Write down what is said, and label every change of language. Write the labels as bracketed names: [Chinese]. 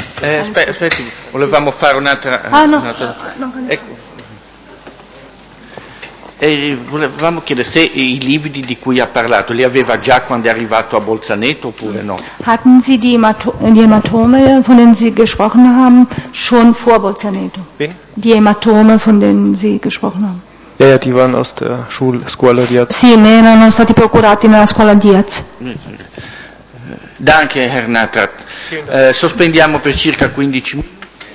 [Italian] Aspetta, volevamo fare un'altra. No. Ecco. Volevamo chiedere se i lividi di cui ha parlato li aveva già quando è arrivato a Bolzaneto oppure no. [German] Hatten Sie die Hämatome, von denen Sie gesprochen haben, schon vor Bolzaneto? Bin? Die Hämatome, von denen Sie gesprochen haben. Ja, yeah, die waren aus der Scuola Diaz. [Italian] Sì, ne erano stati procurati nella scuola Diaz. [German] Danke, Herr Natrat. [Italian] Sospendiamo per circa 15 minuti.